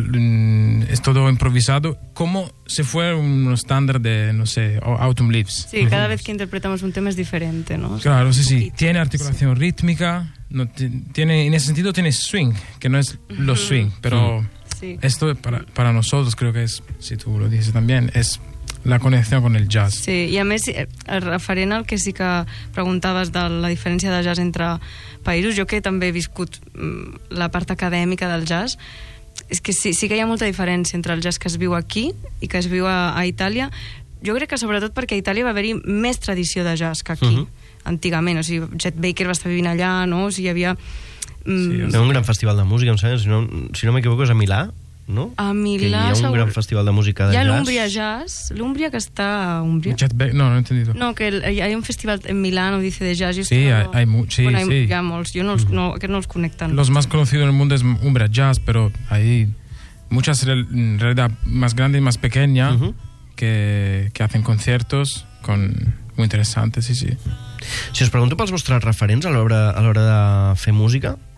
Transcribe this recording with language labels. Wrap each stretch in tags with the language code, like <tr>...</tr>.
<es>Si, es todo improvisado como si fuera un estándar de, no sé, Autumn Leaves. Sí, cada vez que interpretamos un tema es diferente, ¿no? Claro, sí, sí, tiene articulación rítmica, no, tiene, en ese sentido tiene swing, que no es lo swing, pero esto para nosotros creo que es, si tú lo dices también, es la connexió con el jazz.</es> <ca>Sí, i a més, referent al que sí que preguntaves de la diferència de jazz entre països, jo que també he viscut la part acadèmica del jazz, és que sí que hi ha molta diferència entre el jazz que es viu aquí i que es viu a Itàlia. Jo crec que sobretot perquè a Itàlia va haver-hi més tradició de jazz que aquí, antigament. O sigui, Chet Baker va estar vivint allà, no? O sigui, hi havia... Sí, un gran festival de música, em sembla, si no m'equivoco, és a Milà. No? A Milà, que hi ha un segur... gran festival de música de jazz. Hi ha l'Umbria Jazz, l'Umbria que està a Umbria. No he entendit. No, que hi ha un festival en Milà,</ca> <es>no dice de jazz.</es> <ca>Sí, hi ha molts, jo no els, no els conec tant.</ca> <es>Los más conocidos en el mundo es Umbria Jazz, pero hay muchas en realidad más grande y más pequeña que hacen conciertos con... muy interesantes, sí. Si os pregunto</es> <ca>pels vostres referents a l'hora de fer música...</ca>